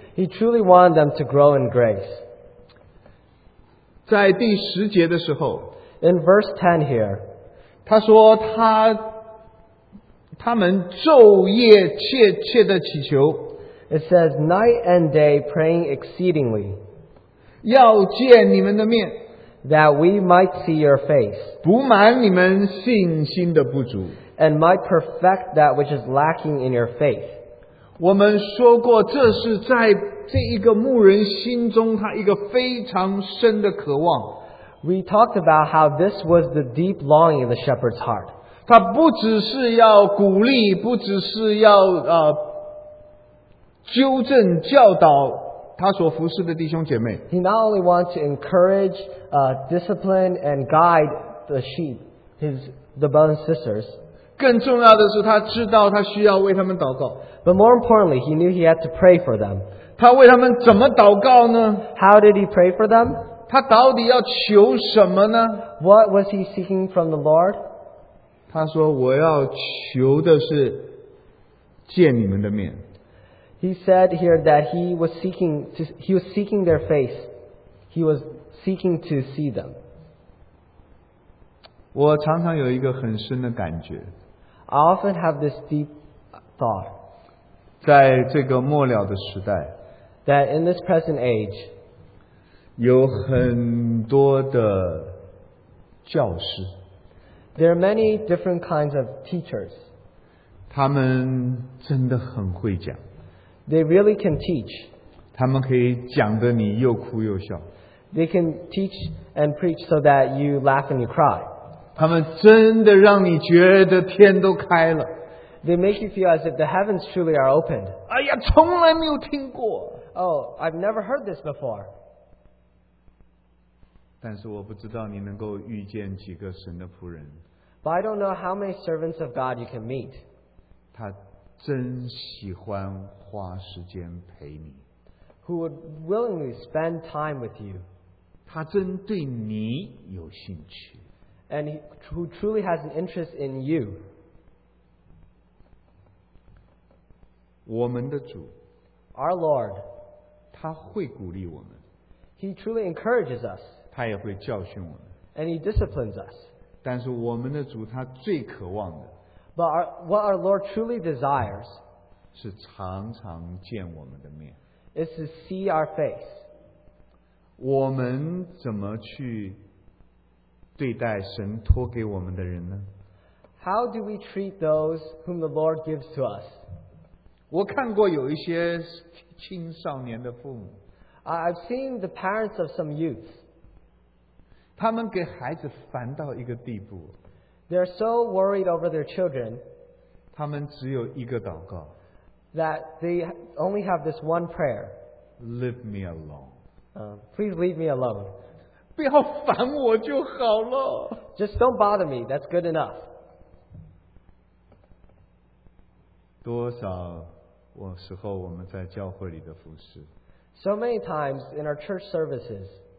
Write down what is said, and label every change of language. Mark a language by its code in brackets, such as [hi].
[en] He truly wanted them to grow in grace. [zh] 在第十节的时候 [en] ，In verse 10 here, [zh] 他说他们昼夜切切的祈求。 [en] It says night and day praying exceedingly. [zh] 要见你们的面。 [en] That we might see your face. [zh] 补满你们信心的不足。 [en] And might perfect that which is lacking in your faith. [zh] 我们说过这是在这一个牧人心中他一个非常深的渴望。 [en] We talked about how this was the deep longing of the shepherd's heart. [zh] 他不只是要鼓励不只是要纠正教导他所服侍的弟兄姐妹。 [en] He not only wants to encourage, discipline and guide the sheep, the brothers and sisters. [zh] 更重要的是他知道他需要为他们祷告。 [en] But more importantly, he knew he had to pray for them. [zh] 他为他们怎么祷告呢? [en] How did he pray for them? [zh] 他到底要求什么呢? [en] What was he seeking from the Lord? [zh] 他说我要求的是见你们的面。 [en] He said here that he was seeking their face. He was seeking to see them. [zh] 我常常有一个很深的感觉。 [en] I often have this deep thought. [zh] 在这个末了的时代。 [en] That in this present age. [zh] 有很多的教师。 [en] There are many different kinds of teachers. [zh] 他们真的很会讲。 [en] They really can teach. [zh] 他们可以讲得你又哭又笑。 [en] They can teach and preach so that you laugh and you cry. [zh] 他们真的让你觉得天都开了。 [en] They make you feel as if the heavens truly are opened. [zh] 哎呀,从来没有听过。 [en] Oh, I've never heard this before. [zh] 但是我不知道你能够遇见几个神的仆人。 [en] But I don't know how many servants of God you can meet. [zh] 他真喜欢花时间陪你。 [en] Who would willingly spend time with you. [zh] 他真对你有兴趣。 [en] And who truly has an interest in you. [zh] 我们的主, [en] Our Lord, [zh] 他会鼓励我们, [en] He truly encourages us, [zh] 他也会教训我们, [en] and He disciplines us. [zh] 但是我们的主他最渴望的, [en] but what our Lord truly desires [zh] 是常常见我们的面, [en] is to see our face. [zh] 我们怎么去对待神托给我们的人呢? [en] How do we treat those whom the Lord gives to us? [zh] 我看过有一些青少年的父母, [en] I've seen the parents of some youths. [zh] 他们给孩子烦到一个地步, [en] they're so worried over their children, [zh] 他们只有一个祷告, [en] that they only have this one prayer. Leave me alone. Please leave me alone. [zh] 不要烦我就好了。 [en] Just don't bother me, that's good enough. [zh] 多少 我时候我们在教会里的服侍, [en] so many times in our church services,